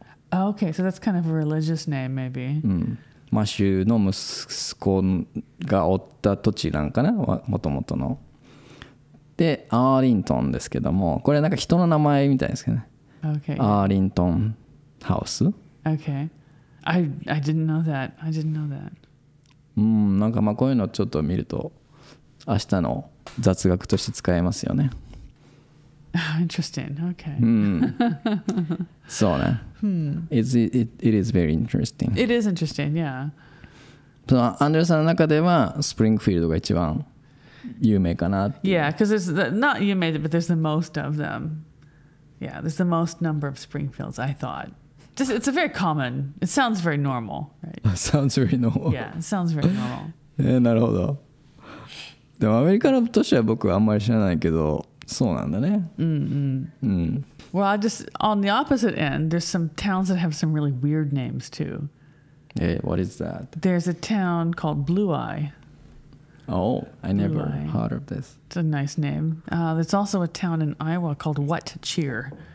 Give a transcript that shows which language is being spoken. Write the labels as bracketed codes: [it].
[en] OK so that's kind of a religious name maybe、 [ja] うん、マシューの息子がおった土地なんかなもともとのでアーリントンですけどもこれなんか人の名前みたいですけどね、 [en] okay. [ja] アーリントンハウス [en] OK I didn't know that I didn't know that [ja] うんなんかまあこういうのちょっと見ると明日の雑学として使えますよね [en] Interesting OK、 [ja] うん、そうね、 hmm. [en] It is very interesting It is interesting yeah [ja] そのアンドレさんの中ではスプリングフィールドが一番有名かなっていう。 [en] Yeah, because there's not you made it, but there's the most of them. Yeah, there's the most number of Springfields, I thought. Just, it's a very common. It sounds very normal, right? Sounds very normal. Yeah, it sounds very normal. [ja] なるほど。でもアメリカの都市は僕はあんまり知らないけど、そうなんだね。 [en] Well, I just, on the opposite end, there's some towns that have some really weird names too. Hey, what is that? There's a town called Blue Eye. Oh, I never heard of this. It's a nice name. There's also a town in Iowa called What Cheer.